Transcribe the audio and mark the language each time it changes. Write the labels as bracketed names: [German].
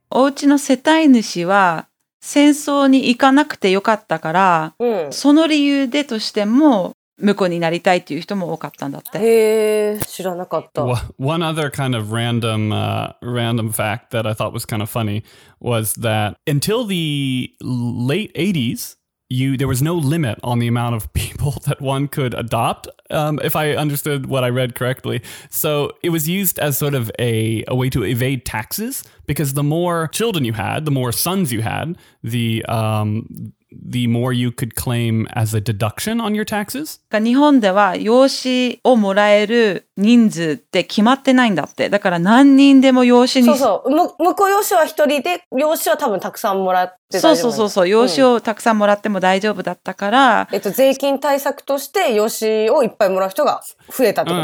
[Japanese] お家の世帯主は戦争に行かなくてよかったから、その理由でとしても婿になりたいっていう人も多かったんだって。へー、知らなかった。 [English] One other kind of random fact that I thought was kind of funny was that until the late 80s, there was no limit on the amount of people that one could adopt, if I understood what I read correctly. So it was used as sort of a way to evade taxes, because the more children you had, the more sons you had, the more you could claim as a deduction on your taxes. [Japanese] 日本では養子をもらえる人数って決まってないんだって。だから何人でも養子に。そうそう。婿養子は一人で、養子は多分たくさんもらって大丈夫。そうそうそう。養子をたくさんもらっても大丈夫だったから。税金対策として養子をいっぱいもらう人が増えたってこと